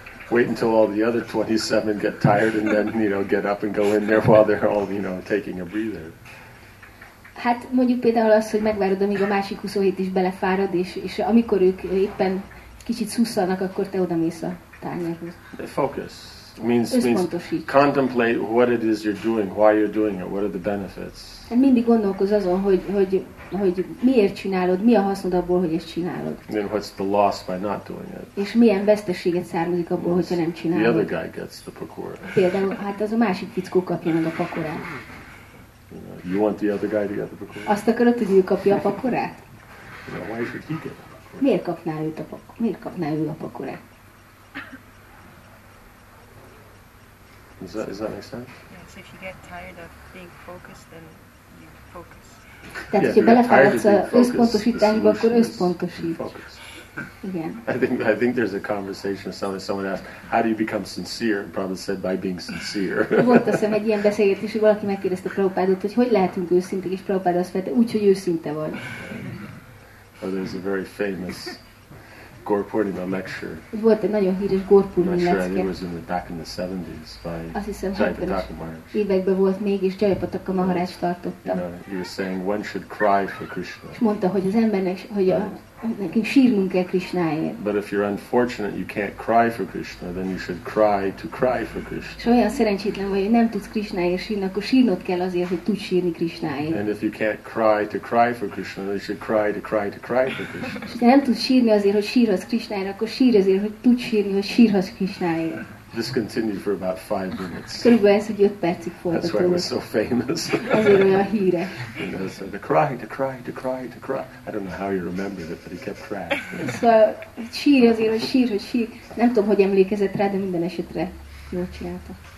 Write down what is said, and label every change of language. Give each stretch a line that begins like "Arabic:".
English: Wait until all the other 27 get tired and then, you know, get up and go in there while they're all, you know, taking a breather.
Hungarian: Hát mondjuk például az, hogy megvárod, amíg a másik 27 is belefárad, és amikor ők éppen kicsit szusszalnak, akkor te odamész a tányérhoz.
English: Focus. Means contemplate what it is you're doing, why you're doing it, what are the benefits.
Hungarian: Hát mindig gondolkoz azon, hogy miért csinálod, mi a hasznod abból, hogy ezt csinálod.
English: Then what's the loss by not doing it?
Hungarian: És milyen veszteséget származik abból, hogyha nem csinálod.
English: The other guy gets the pakora.
Hungarian: Például, hát az a másik fickó kapja meg a pakorát.
English: You want the other guy to get the pakora?
Hungarian: Azt akarod, hogy ő kapja a pakorát?
English: Why should he get the pakora?
Hungarian: Miért kapná ő a pakorát?
English: Does that make sense? Yes, if you get tired of being focused, then you focus.
Hungarian: Tehát, hogyha belefáradsz az összpontosításba, akkor összpontosít. Igen.
English: I think there's a conversation somewhere. Someone asked, how do you become sincere? And Prabhupada said, by being sincere.
Hungarian: Volt aztán egy ilyen beszélgetés, hogy valaki megkérdezte Prabhupádot, hogy hogy lehetünk őszintek, és Prabhupád azt felelte, úgy, hogy őszinte vagy.
English: Oh, there's a very famous Gaur Purnima lecture.
Hungarian: Volt egy nagyon híres Gaur Purnima
English: lecture. I'm not sure, I think it was back in the 70s by Jayapataka Maharaj.
Hungarian: Években volt még, és Jayapataka Maharaj tartotta.
English: You were saying one should cry for Krishna.
Hungarian: És mondta, hogy az embernek, hogy nekünk sírnunk kell Krishnáért.
English: But if you're unfortunate, you can't cry for Krishna, then you should cry to cry for Krishna.
Hungarian: És olyan szerencsétlen vagy, hogy nem tudsz Krishnáért sírni, akkor sírnod kell azért, hogy tudsz sírni Krishnáért.
English: And if you can't cry to cry for Krishna, then you should cry to cry to cry for Krishna.
Hungarian: És ha nem tudsz sírni azért, hogy sírhatsz Krishnáért, akkor sír azért, hogy tudsz sírni, hogy sírhatsz Krishnáért.
English: This continued for about 5 minutes.
Hungarian: Körülbelül ez, hogy 5 percig folytatódott.
English: That's why it was so famous.
Hungarian: Azért olyan híre.
English: The cry. I don't know how he remembered it, but he kept crying.
Hungarian: Sír. Nem tudom, hogy emlékezett rá, de minden esetre jól csinálta.